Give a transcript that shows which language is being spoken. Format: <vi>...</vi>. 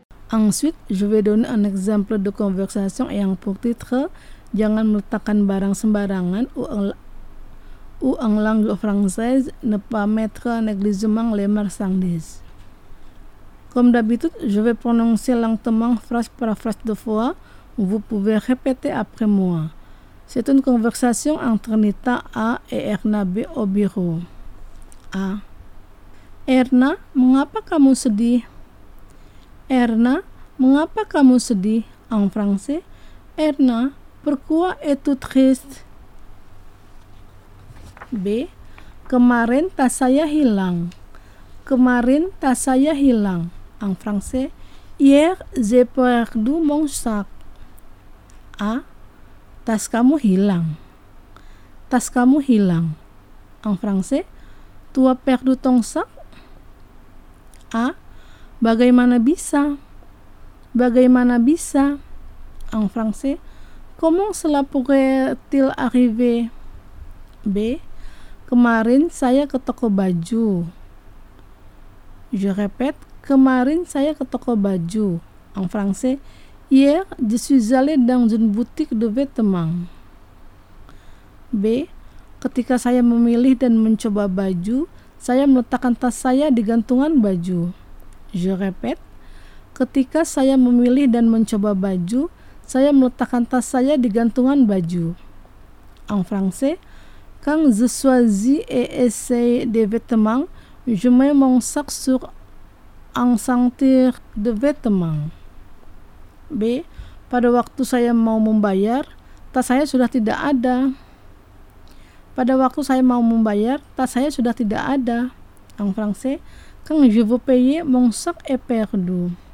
<fr>Ensuite, je vais donner un exemple de conversation ayant pour titre «</fr> <id>Jangan meletakkan barang sembarangan</id> <fr>» ou en langue française « Ne pas mettre négligemment les marchandises ». Comme d'habitude, je vais prononcer lentement phrase par phrase deux fois. Vous pouvez répéter après moi. C'est une conversation entre Nita A et Erna B au bureau. A.</fr> <id>Erna, mengapa kamu sedih? Erna, mengapa kamu sedih?</id> <fr>En français, Erna, pourquoi es-tu triste?</fr> <id>B. Kemarin tas saya hilang. Kemarin tas saya hilang.</id> <fr>En français, hier j'ai perdu mon sac. A.</fr> <id>Tas kamu hilang. Tas kamu hilang.</id> <fr>En français, tu as perdu ton sac? A.</fr> <id>Bagaimana bisa? Bagaimana bisa?</id> <fr>En français, comment cela pourrait-il arriver?</fr> <id>B. Kemarin saya ke toko baju.</id> <fr>Je répète.</fr> <id>Kemarin saya ke toko baju.</id> <fr>En français, hier, je suis allé dans une boutique de vêtements.</fr> <id>B. Ketika saya memilih dan mencoba baju, saya meletakkan tas saya di gantungan baju.</id> <fr>Je répète,</fr> <id>ketika saya memilih dan mencoba baju, saya meletakkan tas saya di gantungan baju.</id> <fr>En français, quand je choisis et essaye des vêtements, je mets mon sac sur un sentier de vêtements. B.</fr> <id>Pada waktu saya mau membayar, tas saya sudah tidak ada. Pada waktu saya mau membayar, tas saya sudah tidak ada.</id> <fr>En français, quand je veux payer, mon sac est perdu.</fr>